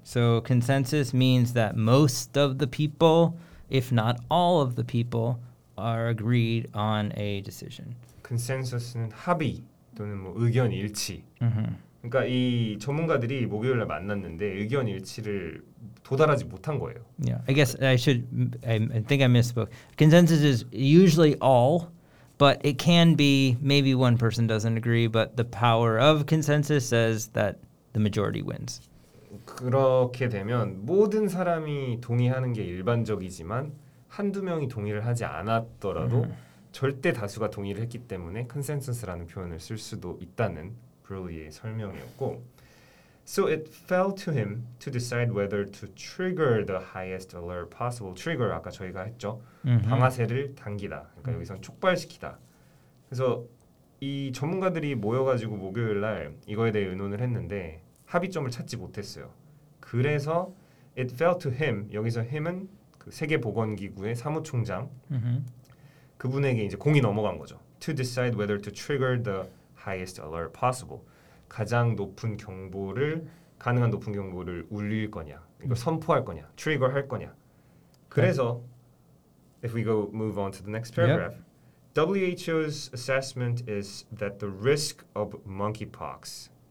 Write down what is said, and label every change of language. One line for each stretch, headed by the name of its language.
English: So consensus means that most of the people, if not all of the people, are agreed on a decision.
Korean: Consensus는 합의 또는 뭐 의견 일치. Mm-hmm. 그러니까 이 전문가들이 목요일에 만났는데 의견 일치를 도달하지 못한 거예요.
English: Yeah, I guess I should. I think I misspoke. Consensus is usually all, but it can be maybe one person doesn't agree. But the power of consensus says that the majority wins.
Korean: 그렇게 되면 모든 사람이 동의하는 게 일반적이지만 한두 명이 동의를 하지 않았더라도 mm-hmm. 절대 다수가 동의를 했기 때문에 consensus라는 표현을 쓸 수도 있다는 브루리의 설명이었고.
English: So it fell to him to decide whether to trigger the highest alert possible.
Korean: Trigger, 아까 저희가 했죠. Mm-hmm. 방아쇠를 당기다. 그러니까 mm-hmm. 여기서 촉발시키다. 그래서 이 전문가들이 모여가지고 목요일 날 이거에 대해 의논을 했는데 합의점을 찾지 못했어요. 그래서
English: it fell to him,
Korean: 여기서 him은 그 세계보건기구의 사무총장, mm-hmm. 그분에게 이제 공이 넘어간 거죠.
English: To decide whether to trigger the highest alert possible.
Korean: 가장 높은 경보를 가능한 높은 경보를 울릴 거냐. 이걸 선포할 거냐. Trigger 할 거냐. 그래서 okay.
English: if we go move on to the next paragraph. Yep. WHO's assessment is that the risk of monkeypox